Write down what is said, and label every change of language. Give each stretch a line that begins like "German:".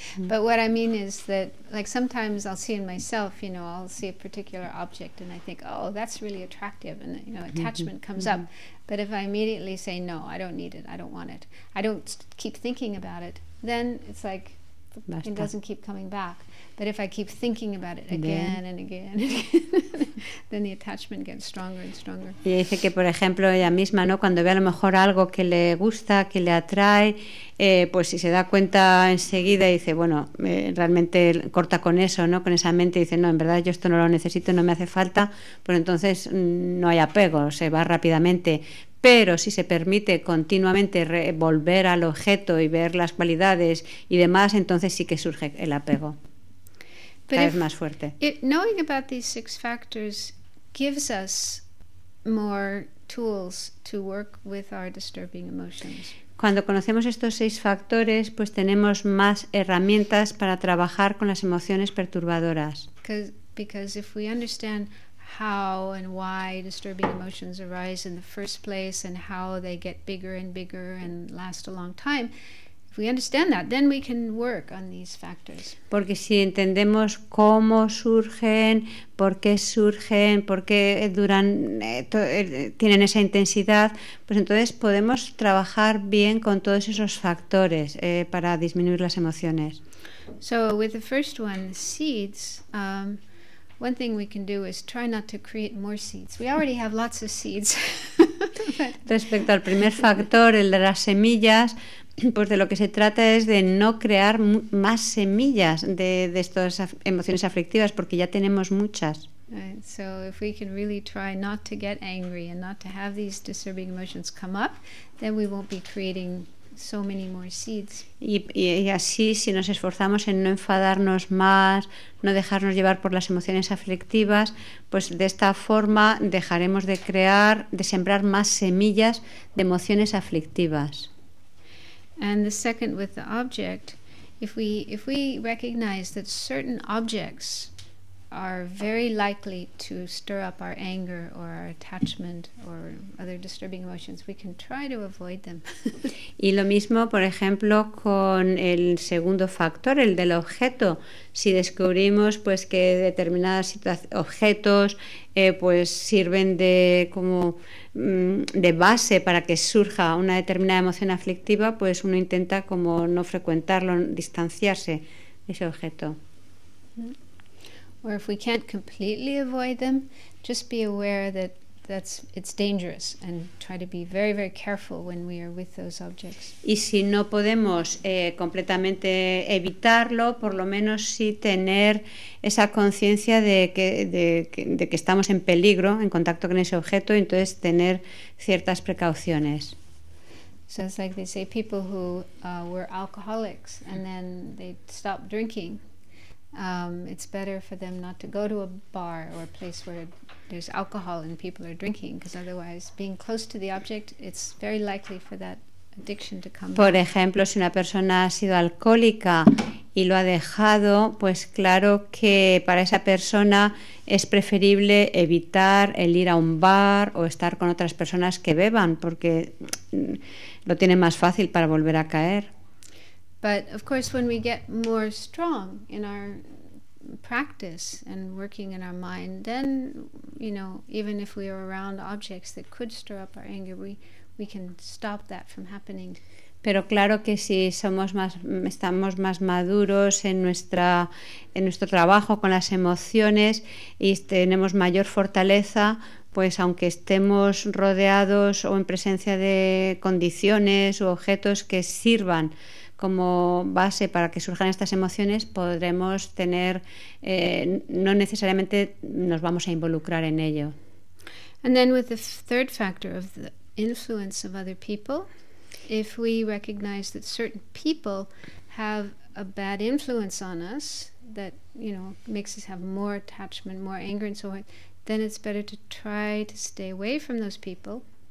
English: But what I mean is that, like, sometimes I'll see in myself, you know, I'll see a particular object and I think, oh, that's really attractive, and, you know, attachment comes up. But if I immediately say no, I don't need it, I don't want it, I don't keep thinking about it, then it's like
Spanish: Bastante.
English: It doesn't keep coming back. But if I keep thinking about it again and again, then the attachment gets stronger and stronger.
Spanish: Y dice que, por ejemplo, ella misma, ¿no? Cuando ve a lo mejor algo que le gusta, que le atrae, pues si se da cuenta enseguida, dice, bueno, realmente corta con eso, ¿no? Con esa mente, dice, no, en verdad yo esto no lo necesito, no me hace falta, pues entonces no hay apego, se va rápidamente. Pero si se permite continuamente volver al objeto y ver las cualidades y demás, entonces sí que surge el apego.
English: But
Spanish: cada vez más fuerte.
English: It, knowing about these six factors gives us more tools to work with our disturbing emotions.
Spanish: Cuando conocemos estos seis factores, pues tenemos más herramientas para trabajar con las emociones perturbadoras.
English: Because if we understand how and why disturbing emotions arise in the first place and how they get bigger and last a long time, if we understand that, then we can work on these factors.
Spanish: Porque si entendemos cómo surgen, por qué duran, tienen esa intensidad, pues entonces podemos trabajar bien con todos esos factores para disminuir las emociones.
English: So with the first one, seeds, one thing we can do is try not to create more seeds. We already have lots of seeds.
Spanish: Respecto al primer factor, el de las semillas, pues de lo que se trata es de no crear más semillas de estas emociones aflictivas, porque ya tenemos muchas.
English: Right. So if we can really try not to get angry and not to have these disturbing emotions come up, then we won't be creating so many more seeds.
Spanish: Y así, si nos esforzamos en no enfadarnos más, no dejarnos llevar por las emociones aflictivas, pues de esta forma dejaremos de crear, de sembrar más semillas de emociones aflictivas.
English: And the second with the object, if we recognize that certain objects are very likely to stir up our anger or our attachment or other disturbing emotions, we can try to avoid them.
Spanish: Y lo mismo, por ejemplo, con el segundo factor, el del objeto. Si descubrimos pues que determinadas objetos pues sirven de como de base para que surja una determinada emoción aflictiva, pues uno intenta como no frecuentarlo, distanciarse de ese objeto. Mm-hmm.
English: Or if we can't completely avoid them, just be aware that it's dangerous and try to be very, very careful when we are with those objects.
Spanish: Y si no podemos completamente evitarlo, por lo menos sí tener esa conciencia de que estamos en peligro, en contacto con ese objeto, y entonces tener ciertas precauciones.
English: So it's like they say people who were alcoholics and then they stopped drinking. It's better for them not to go to a bar or a place where there's alcohol and people are drinking, because otherwise, being close to the object, it's very likely for that addiction to come.
Spanish: Por ejemplo, si una persona ha sido alcohólica y lo ha dejado, pues claro que para esa persona es preferible evitar el ir a un bar o estar con otras personas que beban, porque lo tiene más fácil para volver a caer.
English: But of course, when we get more strong in our practice and working in our mind, then, you know, even if we are around objects that could stir up our anger, we can stop that from happening.
Spanish: Pero claro que si estamos más maduros en nuestro trabajo con las emociones y tenemos mayor fortaleza, pues aunque estemos rodeados o en presencia de condiciones u objetos que sirvan como base para que surjan estas emociones, podremos tener, no necesariamente nos vamos a involucrar en ello.
English: And then with the third factor of the influence of other people, if we recognize that certain people have a bad influence on us, that, you know, makes us have more attachment, more anger and so on, then it's better to try to stay away from those people.